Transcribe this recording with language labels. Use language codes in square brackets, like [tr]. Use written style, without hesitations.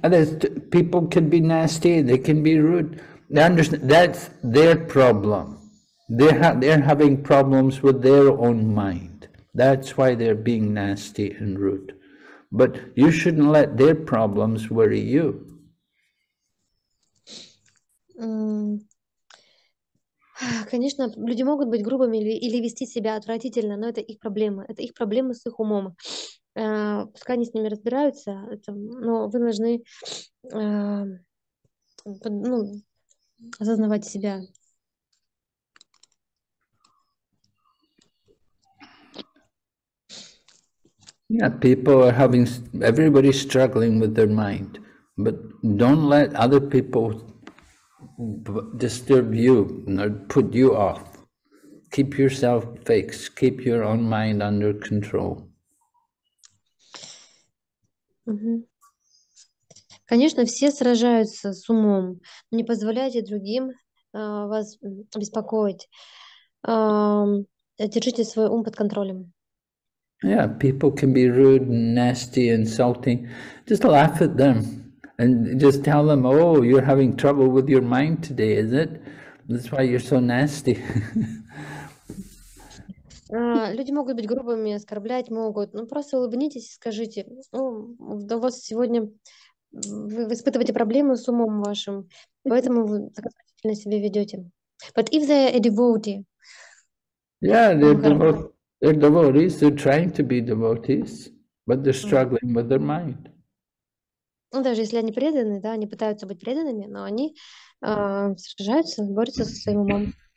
[en] Others, people can be nasty, they can be rude. They understand, that's their problem. They're having problems with their own mind. That's why they're being nasty and rude. But you shouldn't let their problems worry you. [ru] Конечно, люди могут быть грубыми или вести себя отвратительно, но это их проблема. Это их проблема с их умом. Пускай они с ними разбираются, это, но вы должны осознавать себя. [en] Yeah, people are having, everybody struggling with their mind, but don't let other people disturb you or put you off. Keep yourself fixed, keep your own mind under control. [ru] Конечно, все сражаются с умом, но не позволяйте другим вас беспокоить. Держите свой ум под контролем. [en] Yeah, people can be rude, nasty, insulting. Just laugh at them and just tell them, oh, you're having trouble with your mind today, is it? That's why you're so nasty. [ru] Люди могут быть грубыми, оскорблять могут. Ну, просто улыбнитесь и скажите, ну, у вас сегодня вы испытываете проблемы с умом вашим, поэтому вы так относительно себя ведете. [en] But if they are a devotee, they're devotees, they're trying to be devotees, but they're struggling with their mind. [ru] Ну, даже если они преданы, да, они пытаются быть преданными, но они сражаются, борются со своим умом.